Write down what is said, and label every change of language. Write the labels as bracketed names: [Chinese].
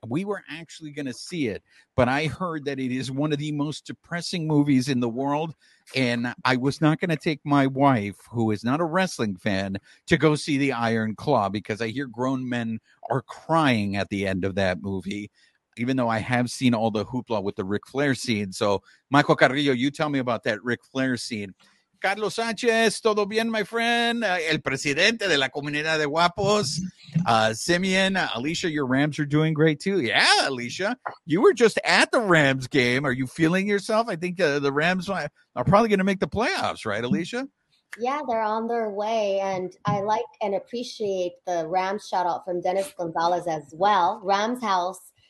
[English] We were actually going to see it, but I heard that it is one of the most depressing movies in the world, and I was not going to take my wife, who is not a wrestling fan, to go see The Iron Claw because I hear grown men are crying at the end of that movie, even though I have seen all the hoopla with the Ric Flair scene. So, Michael Carrillo, you tell me about that Ric Flair scene. [Spanish] Carlos Sanchez, todo bien, [English] my friend. [Spanish] El presidente de la comunidad de guapos. [English] Simeon, Alicia, your Rams are doing great too. Yeah, Alicia, you were just at the Rams game. Are you feeling yourself? I think the Rams are probably going to make the playoffs, right, Alicia? Yeah, they're on their way. And I like and appreciate the Rams shout out from Dennis Gonzalez as well. Rams house.